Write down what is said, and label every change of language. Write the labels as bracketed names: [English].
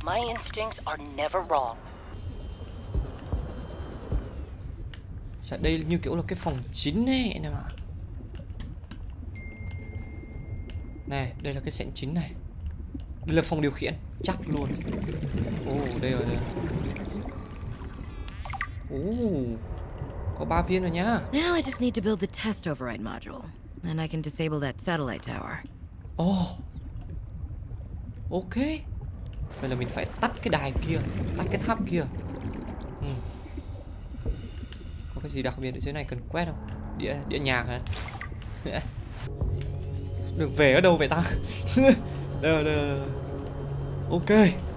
[English] My instincts are never wrong. [Vietnamese] Chắc đây như kiểu là cái phòng chính ấy anh em ạ. Nè, đây là cái sảnh chính này. Đây là phòng điều khiển, chắc luôn. Ồ, đây rồi. Ồ. Có 3 viên rồi nhá. [English] Now I just need to build the test override module, then I can disable that satellite tower. Oh. Ok. [Vietnamese] Vậy là mình phải tắt cái đài kia, tắt cái tháp kia. Có cái gì đặc biệt ở dưới này cần quét không? Đĩa nhạc hả? Được về ở đâu vậy ta? Đây. Ok.